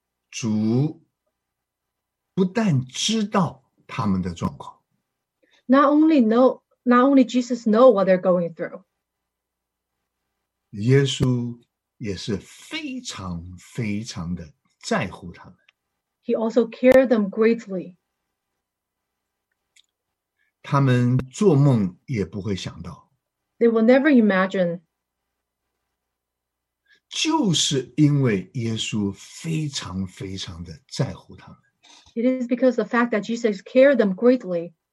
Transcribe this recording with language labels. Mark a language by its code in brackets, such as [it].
[zh] 主不但知道他们的状况, [en] not only Jesus know what they're going through, [zh] 耶稣也是非常非常的在乎他们, [en] He also cared them greatly. [zh] 他们做梦也不会想到, [en] They will never imagine, [zh] 就是因为耶稣非常非常的在乎他们。 [en] It is because of the fact that Jesus cared them greatly.